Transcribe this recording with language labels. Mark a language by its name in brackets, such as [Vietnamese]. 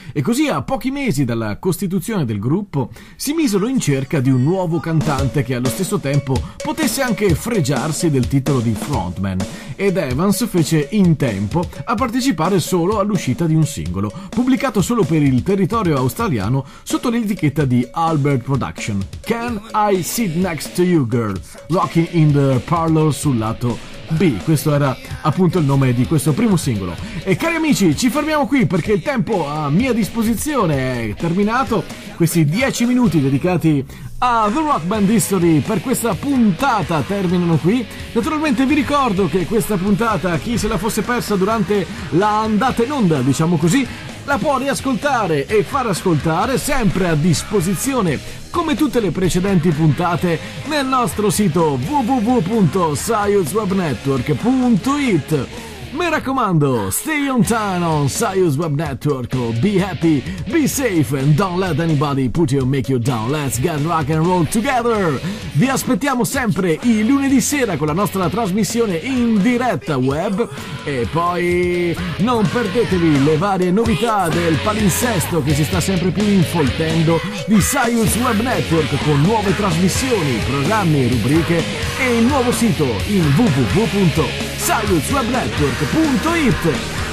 [Italian] E così, a pochi mesi dalla costituzione del gruppo, si misero in cerca di un nuovo cantante che allo stesso tempo potesse anche fregiarsi del titolo di frontman. ed Evans fece in tempo a partecipare solo all'uscita di un singolo, pubblicato solo per il territorio australiano sotto l'etichetta di Albert Production. [English] Can I Sit Next to You Girl? [Italian] Rocking in the Parlor sul lato B, questo era appunto il nome di questo primo singolo. E cari amici, ci fermiamo qui perché il tempo a mia disposizione è terminato. Questi 10 minuti dedicati a The Rock Band History per questa puntata terminano qui. Naturalmente vi ricordo che questa puntata, chi se la fosse persa durante la andata in onda, diciamo così, la può riascoltare e far ascoltare sempre a disposizione, come tutte le precedenti puntate, nel nostro sito www.sciencewebnetwork.it. Mi raccomando, [English] stay on time on Science Web Network. Be happy, be safe and don't let anybody put you or make you down. Let's get rock and roll together. [Italian] Vi aspettiamo sempre il lunedì sera con la nostra trasmissione in diretta web. E poi non perdetevi le varie novità del palinsesto che si sta sempre più infoltendo di Science Web Network, con nuove trasmissioni, programmi, rubriche e il nuovo sito in www.sciencewebnetwork.it.